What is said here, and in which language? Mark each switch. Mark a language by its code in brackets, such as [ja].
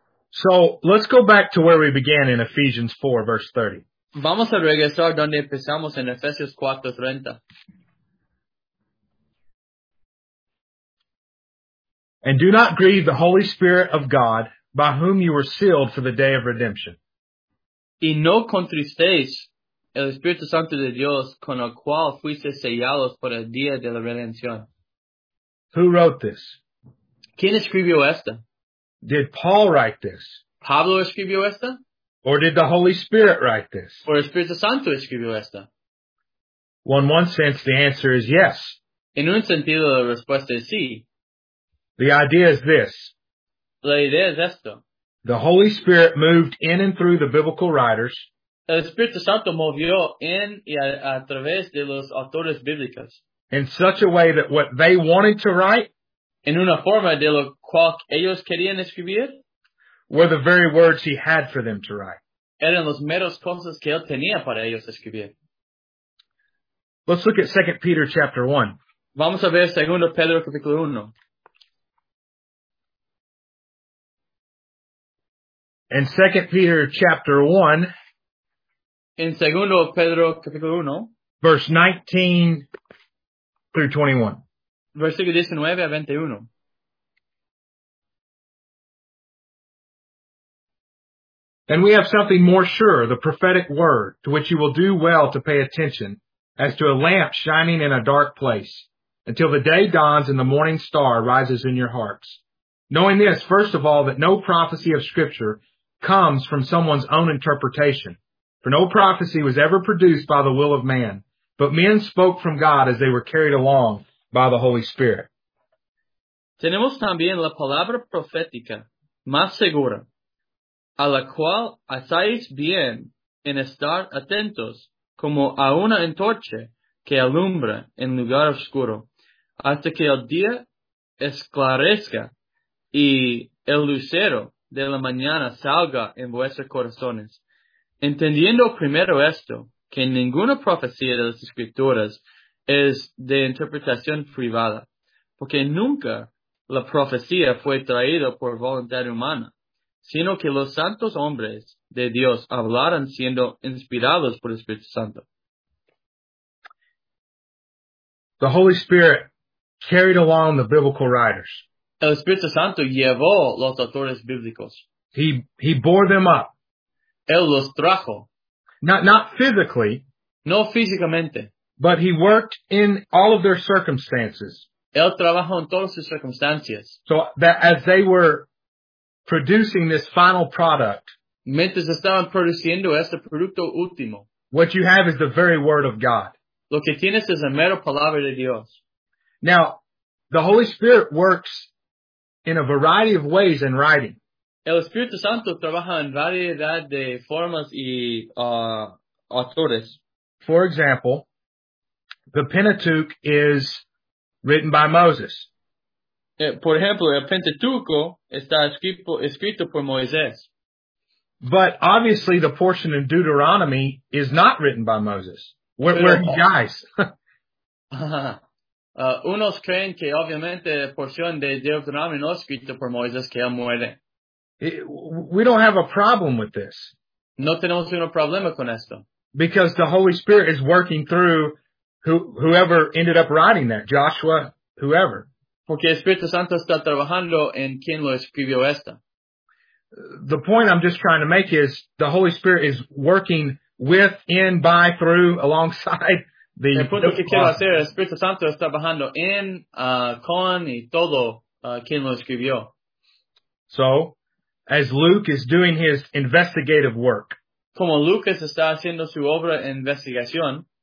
[en] So, let's go back to where we began in Ephesians 4, verse 30. [es] Vamos a regresar donde empezamos en Efesios 4, 30. [en] And do not grieve the Holy Spirit of God, by whom you were sealed for the day of redemption. [es] Y no contristéis el Espíritu Santo de Dios, con el cual fuiste sellados por el día de la redención. [en] Who wrote this? [es] ¿Quién escribió esta? [en] Did Paul write this? [es] ¿Pablo escribió esta? [en] Or did the Holy Spirit write this? [es] ¿O el Espíritu Santo escribió esta? [en] Well, in one sense, the answer is yes. [es] En un sentido, la respuesta es sí. [en] The idea is this. [es] La idea es esto. [en] The Holy Spirit moved in and through the biblical writers. [es] El Espíritu Santo movió en y a través de los autores bíblicos. [en] In such a way that what they wanted to write, [es] en una forma de lo cual ellos querían escribir, [en] were the very words he had for them to write. [es] Eran los meros cosas que él tenía para ellos escribir. [en] Let's look at 2 Peter chapter 1. [es] Vamos a ver 2 Pedro capítulo 1. [en] In 2 Peter chapter 1, [es] in 2 Pedro capítulo 1, [en] verse 19 through 21. [es] Versículo 19 a 21. [en] And we have something more sure, the prophetic word, to which you will do well to pay attention, as to a lamp shining in a dark place, until the day dawns and the morning star rises in your hearts. Knowing this, first of all, that no prophecy of Scripture comes from someone's own interpretation. For no prophecy was ever produced by the will of man, but men spoke from God as they were carried along by the Holy Spirit. [es] Tenemos también la palabra profética más segura, a la cual hacéis bien en estar atentos como a una antorcha que alumbra en lugar oscuro, hasta que el día esclarezca y el lucero de la mañana salga en vuestros corazones. Entendiendo primero esto, que ninguna profecía de las Escrituras es de interpretación privada, porque nunca la profecía fue traída por voluntad humana, sino que los santos hombres de Dios hablaron siendo inspirados por el Espíritu Santo. [en] The Holy Spirit carried along the biblical writers. [es] El Espíritu Santo llevó los autores bíblicos. [en] He bore them up. [es] Él los trajo. [en] Not physically. [es] No físicamente. [en] But he worked in all of their circumstances. [es] Él trabajó en todas sus circunstancias. [en] So that as they were producing this final product. [es] Mientras estaban produciendo este producto último. [en] What you have is the very word of God. [es] Lo que tienes es la mera palabra de Dios. [en] Now, the Holy Spirit works in a variety of ways in writing. [es] El Espíritu Santo trabaja en variedad de formas y autores. [en] For example, the Pentateuch is written by Moses. [es] Por ejemplo, el Pentateuco está escrito por Moisés. [en] But obviously the portion in Deuteronomy is not written by Moses. Where he dies. [es] Unos creen que obviamente la porción de Deuteronomio no es escrita por Moisés, que él muere. [en] We don't have a problem with this. [es] No tenemos un problema con esto. [en] Because the Holy Spirit is working through whoever ended up writing that, Joshua, whoever. [es] Porque el Espíritu Santo está trabajando en quien lo escribió esta. [en] The point I'm just trying to make is the Holy Spirit is working with, in, by, through, alongside the. [es] El punto que quiero hacer, el Espíritu Santo está trabajando en, con y todo quien lo escribió. [en] So, as Luke is doing his investigative work. [es] Como Lucas está haciendo su obra de investigación.